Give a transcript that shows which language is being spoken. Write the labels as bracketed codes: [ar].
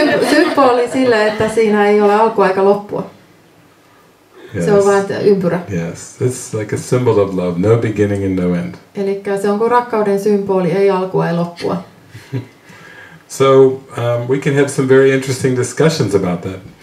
[fi] Symppo oli sillä, että siinä ei ole alkua eikä loppua. [en] Yes. [fi] Se on vain ympyrä. [en] Yes, it's like a symbol of love, no beginning and no end. [fi] Elikkä se on kuin rakkauden symboli, ei alkua ei loppua. [en] So we can have some very interesting discussions about that.